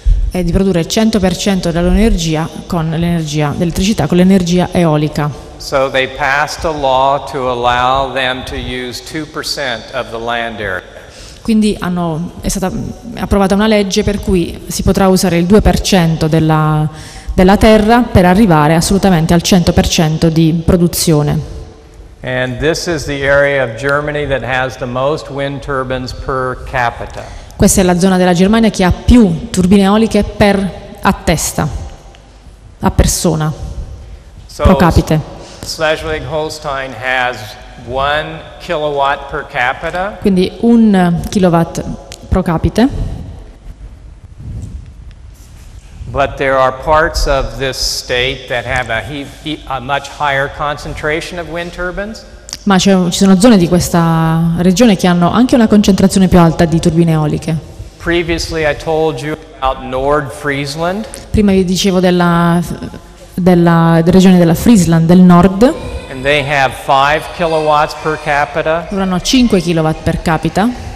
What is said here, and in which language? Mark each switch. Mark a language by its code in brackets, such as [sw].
[it] È di produrre 100% dell'energia con l'energia dell'elettricità con l'energia eolica. [en] So they passed a law to allow them to use 2% of the land area. [it] Quindi è stata approvata una legge per cui si potrà usare il 2% della terra per arrivare assolutamente al 100% di produzione. [en] And this is the area of Germany that has the most wind turbines per capita. [it] Questa è la zona della Germania che ha più turbine eoliche per a testa, a persona, pro capite. [en] Schleswig-Holstein has 1 kilowatt per capita. [it] Quindi 1 kilowatt pro capite. [en] But there are parts of this state that have a much higher concentration of wind turbines. [it] Ma ci sono zone di questa regione che hanno anche una concentrazione più alta di turbine eoliche. [en] Previously I told you about Nordfriesland. [it] Prima vi dicevo della regione della Friesland del Nord. [en] And they have 5 kilowatts per capita. [it] Loro hanno 5 kilowatt per capita.